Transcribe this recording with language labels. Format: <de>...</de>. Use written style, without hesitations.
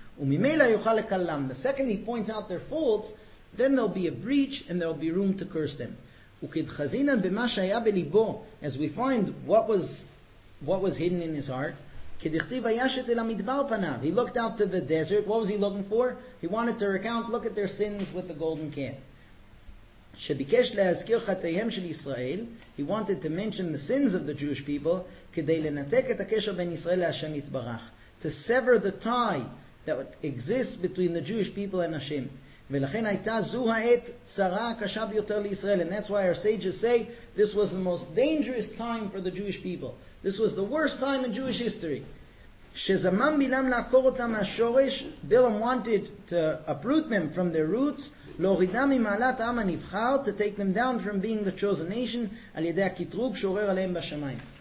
<he>וממילא יוכל לקללם.</he> <en>The second he points out their faults, then there'll be a breach and there'll be room to curse them.</en> <he>וכדחזינן במה שהיה בליבו,</he> <en>as we find what was hidden in his heart,</en> <he>כדכתיב הישת אל המדבר פניו.</he> <en>He looked out to the desert. What was he looking for? He wanted to recount, look at their sins with the golden calf.</en> <he>שביקש להזכיר חטאיהם של ישראל.</he> <en>He wanted to mention the sins of the Jewish people,</en> <he>כדי לנתק את הקשר בין ישראל להשם יתברך.</he> <en>To sever the tie that exists between the Jewish people and Hashem.</en> <he>ולכן הייתה זו העת צרה הקשה ביותר לישראל.</he> <en>And that's why our sages say, this was the most dangerous time for the Jewish people. This was the worst time in Jewish history.</en> <he>שזמם בילם לעקור אותם מהשורש,</he> <en>בילם wanted to uproot them from their roots,</en> <he>להורידם ממעלת העם הנבחר,</he> <en>to take them down from being the chosen nation,</en> <he>על ידי הקטרוג שעורר עליהם בשמיים.</he>